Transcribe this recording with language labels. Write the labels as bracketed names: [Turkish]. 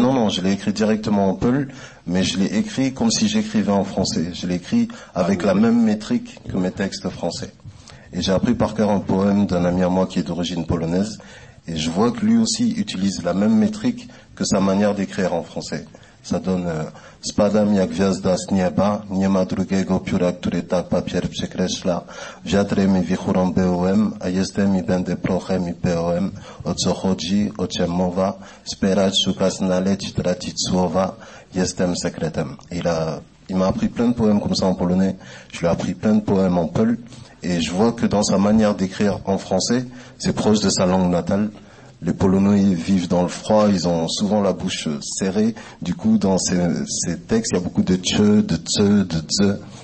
[French] Non, je l'ai écrit directement en Peul, mais je l'ai écrit comme si j'écrivais en français. Je l'ai écrit avec la même métrique que mes textes français. Et j'ai appris par cœur un poème d'un ami à moi qui est d'origine polonaise, et je vois que lui aussi utilise la même métrique que sa manière d'écrire en français. Ça donne [Polish] Spadam jak gwiazda z nieba, nie ma drugiego pióra, który tak papier przekreśla. Wiatrem i wichurą byłem, a jestem i będę prochem i pyłem. O co chodzi, o czym mowa, spierać, szukać, naleć, tracić słowa, jestem sekretem. [French] Il m'a appris plein de poèmes comme ça en polonais, je lui ai appris plein de poèmes en peul, et je vois que dans sa manière d'écrire en français, c'est proche de sa langue natale. Les Polonais vivent dans le froid, ils ont souvent la bouche serrée. Du coup, dans ces textes, il y a beaucoup de tche, de tse, de tse.